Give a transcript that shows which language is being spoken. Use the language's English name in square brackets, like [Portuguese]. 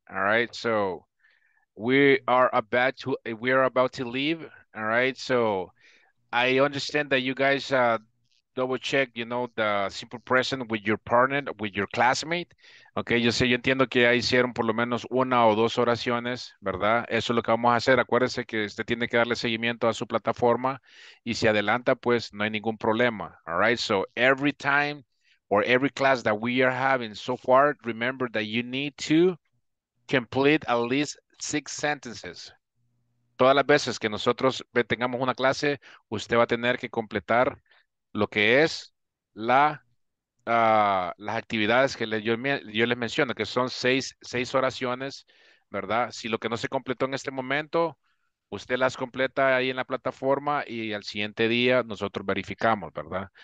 [English] All right, so we are about to leave. All right, so I understand that you guys double check, you know, the simple present with your partner, with your classmate. [Spanish] Okay, yo sé, yo entiendo que ya hicieron por lo menos una o dos oraciones, ¿verdad? Eso es lo que vamos a hacer. Acuérdense que usted tiene que darle seguimiento a su plataforma y si adelanta, pues no hay ningún problema. [English] All right, so every time or every class that we are having so far, remember that you need to complete at least 6 sentences. [Spanish] Todas las veces que nosotros tengamos una clase, usted va a tener que completar lo que es la las actividades que yo les menciono, que son 6 oraciones, ¿verdad? Si lo que no se completó en este momento, usted las completa ahí en la plataforma y al siguiente día nosotros verificamos, ¿verdad?